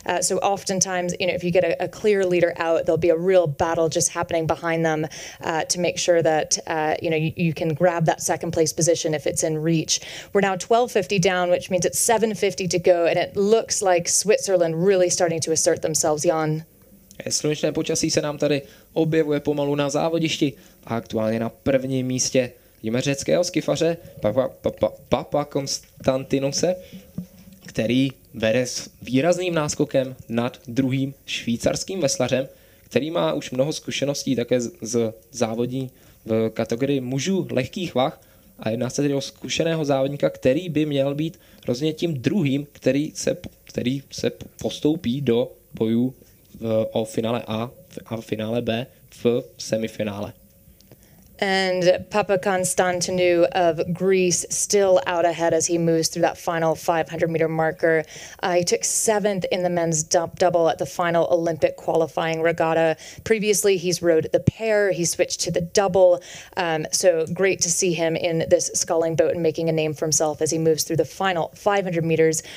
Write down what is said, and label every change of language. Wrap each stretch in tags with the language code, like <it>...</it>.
<en>So oftentimes, you know, if you get a clear leader out, there'll be a real battle just happening behind them to make sure that you know, you can grab that second place position if it's in reach. We're now 12:50 down, which means it's 7:50 to go, and it looks like Switzerland really starting to assert themselves, Jan.</en> <cs>Slunečné počasí se nám tady objevuje pomalu na závodišti a aktuálně na prvním místě vidíme řeckého skifaře Papa Konstantinuse, který vede s výrazným náskokem nad druhým švýcarským veslařem, který má už mnoho zkušeností také z závodí v kategorii mužů lehkých vah a jedná se tedy o zkušeného závodníka, který by měl být rozhodně tím druhým, který se postoupí do bojů o finále A a finále B v semifinále.</cs> <en>And Papa Konstantinou of Greece still out ahead as he moves through that final 500-meter marker. He took seventh in the men's double at the final Olympic qualifying regatta. Previously, he's rode the pair. He switched to the double. So great to see him in this sculling boat and making a name for himself as he moves through the final 500 meters.</en>